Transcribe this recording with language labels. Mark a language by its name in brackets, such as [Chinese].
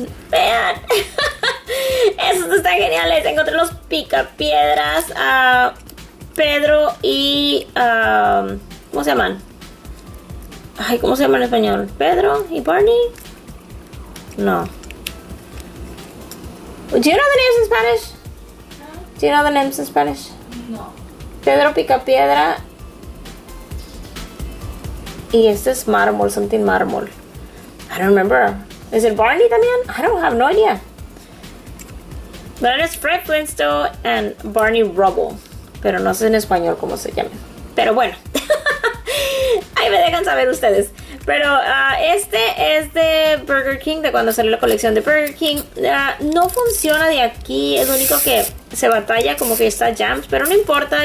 [Spanish] Vean, esos están geniales. Encontré los Picapiedras, a Pedro y ¿cómo se llaman? Ay, ¿cómo se llaman en español? ¿Pedro y Barney? No. [English] Do you know the names in Spanish? Do you know the names in Spanish? No. [Spanish] Pedro Picapiedra y este es Mármol, [English] something Mármol. I don't remember. Is it Barney también? I don't have no idea. But it's Fred Flintstone and Barney Rubble. [Spanish] Pero no sé en español cómo se llaman. Pero bueno. Ahí me dejan saber ustedes. Pero este es de Burger King, de cuando salió la colección de Burger King. No funciona de aquí. Es lo único que se batalla, como que está jams. Pero no importa.